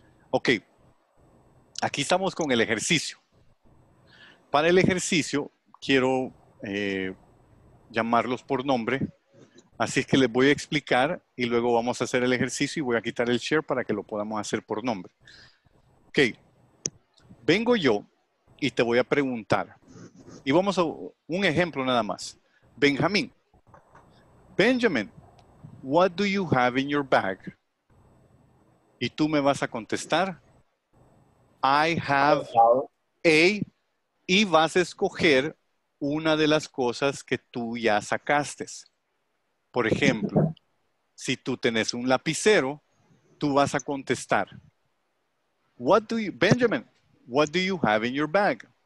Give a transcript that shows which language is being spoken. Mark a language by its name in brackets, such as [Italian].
[Spanish] Ok, aquí estamos con el ejercicio. Para el ejercicio, quiero llamarlos por nombre, así es que les voy a explicar y luego vamos a hacer el ejercicio y voy a quitar el share para que lo podamos hacer por nombre. Ok, vengo yo y te voy a preguntar, y vamos a un ejemplo nada más. Benjamín. [English] Benjamin, what do you have in your bag? [Spanish] Y tú me vas a contestar, [English] I have a, [Spanish] y vas a escoger una de las cosas que tú ya sacaste. Por ejemplo, si tú tenés un lapicero, tú vas a contestar, [English] what do you, Benjamin, what do you have in your bag?